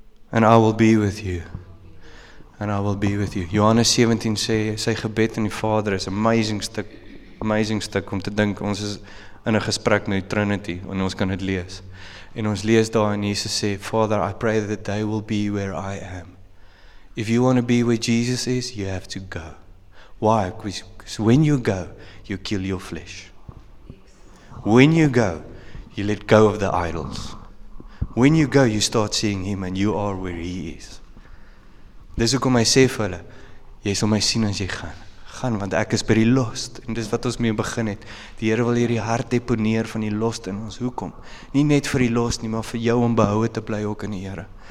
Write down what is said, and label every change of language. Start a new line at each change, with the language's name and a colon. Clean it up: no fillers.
English: And I will be with you. And I will be with you.
Afrikaans: Johannes 17 sê, sy gebed in die Vader is amazing stuk om te dink, ons is in 'n gesprek met die Trinity, en ons kan dit lees. En ons lees daar en Jesus sê,
English: Father, I pray that they will be where I am. If you want to be where Jesus is, you have to go. Why? Because when you go, you kill your flesh. When you go, you let go of the idols. When you go, you start seeing him and you are where he is.
Afrikaans: Dis hoekom hy sê vir hulle, jy sal my sien as jy gaan. Gaan, want ek is by die lost. En dis wat ons mee begin het. Die Here wil hierdie hart deponeer van die lost in ons. Hoekom? Nie net vir die lost nie, maar vir jou om behoue te bly ook in die Here.